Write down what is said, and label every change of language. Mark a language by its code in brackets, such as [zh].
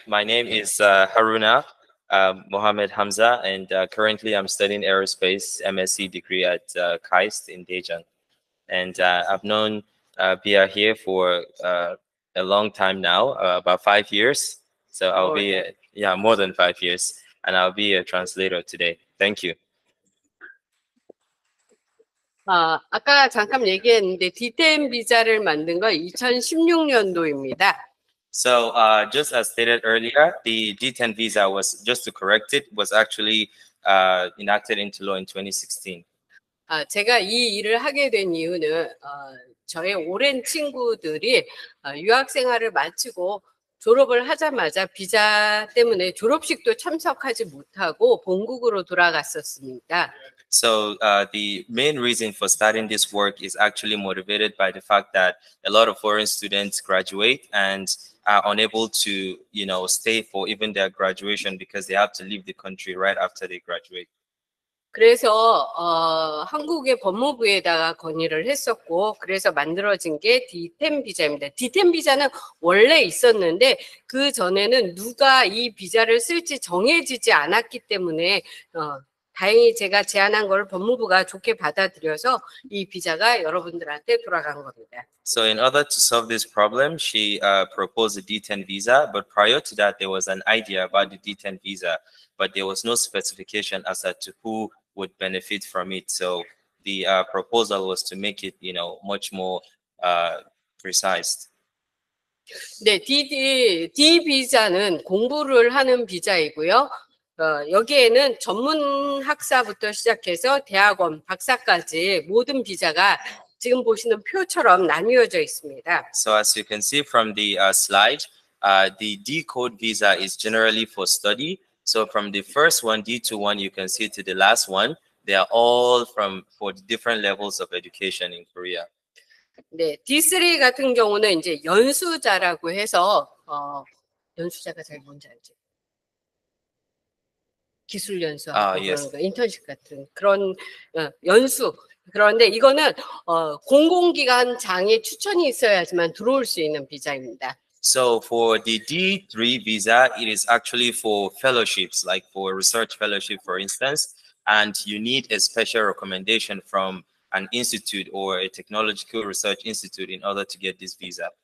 [en] My name is Haruna Mohammed Hamza, and currently I'm studying aerospace MSc degree at KAIST in Daejeon. And I've known Bia here for a long time now, about 5 years. So I'll more than 5 years, and I'll be a translator today. Thank you. [ko] 아까 잠깐 얘기했는데 D10 비자를 만든 거 2016년도입니다. [en] So just as stated earlier, the D10 visa was, just to correct it, was actually enacted into law in 2016. [ko] 제가 이 일을 하게 된 이유는 저의 오랜 친구들이 유학 생활을 마치고 졸업을 하자마자 비자 때문에 졸업식도 참석하지 못하고 본국으로 돌아갔었습니다. [en] So the main reason for starting this work is actually motivated by the fact that a lot of foreign students graduate and are unable to, you know, stay for even their graduation because they have to leave the country right after they graduate. [ko] 그래서 한국의 법무부에다가 건의를 했었고 그래서 만들어진 게 D10 비자입니다. D10 비자는 원래 있었는데 그 전에는 누가 이 비자를 쓸지 정해지지 않았기 때문에 다행히 제가 제안한 걸 법무부가 좋게 받아들여서 이 비자가 여러분들한테 돌아간 겁니다. [en] So in order to solve this problem, she proposed a D10 visa, but prior to that, there was an idea about the D10 visa, but there was no specification as to who would benefit from it. So the proposal was to make it, you know, much more precise. [ko] 네, D 비자는 공부를 하는 비자이고요. 여기에는 전문 학사부터 시작해서 대학원 박사까지 모든 비자가 지금 보시는 표처럼 나뉘어져 있습니다. [en] So as you can see from the slide, the D code visa is generally for study. So from the first one, D2 one, you can see to the last one, they are all from for the different levels of education in Korea. [ko] 네, D3 같은 경우는 이제 연수자라고 해서 연수자가 잘 뭔지 알지? 기술 연수하고 [en] yes. [ko] 그런 거, 인턴십 같은 그런 연수. 그런데 이거는 공공기관 장의 추천이 있어야지만 들어올 수 있는 비자입니다. [en] So for the D3 visa, it is actually for fellowships, like for research fellowship, for instance, and you need a special recommendation from an institute or a technological research institute in order to get this visa.